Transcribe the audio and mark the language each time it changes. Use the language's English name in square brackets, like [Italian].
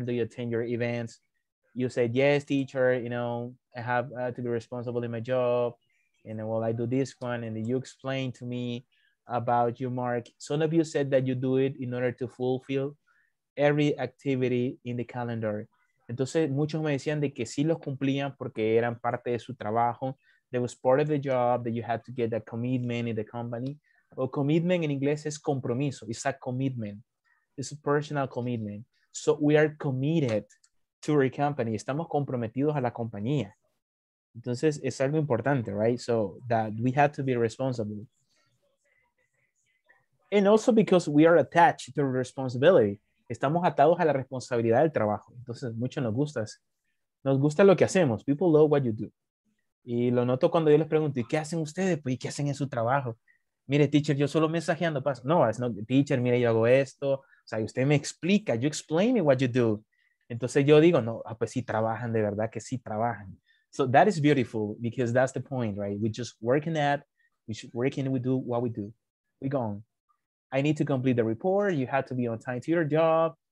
[English] Do you attend your events? You said, yes, teacher, you know, I have to be responsible in my job. And well, I do this one. And you explained to me about your mark. Some of you said that you do it in order to fulfill every activity in the calendar. [Spanish] Entonces, muchos me decían de que sí los cumplían porque eran parte de su trabajo. [English] That was part of the job that you had to get a commitment in the company. Well, commitment in English is compromiso. It's a commitment. It's a personal commitment. So we are committed to our company. [Spanish] Estamos comprometidos a la compañía. Entonces, es algo importante, [English] right? So that we have to be responsible. And also because we are attached to responsibility. [Spanish] Estamos atados a la responsabilidad del trabajo. Entonces, mucho nos gusta. Nos gusta lo que hacemos. [English] People love what you do. [Spanish] Y lo noto cuando yo les pregunto, ¿y qué hacen ustedes? Pues, ¿y qué hacen en su trabajo? Mire, teacher, yo solo mensajeando paso. No, es no, teacher, mire, yo hago esto. O sea, y usted me explica. [English] You explain me what you do. [Spanish] Entonces yo digo, no, ah, pues sí trabajan, de verdad que sí trabajan. [English] So that is beautiful because that's the point, right? We're just working at, we're working, we do what we do. We go on. I need to complete the report. You have to be on time to your job.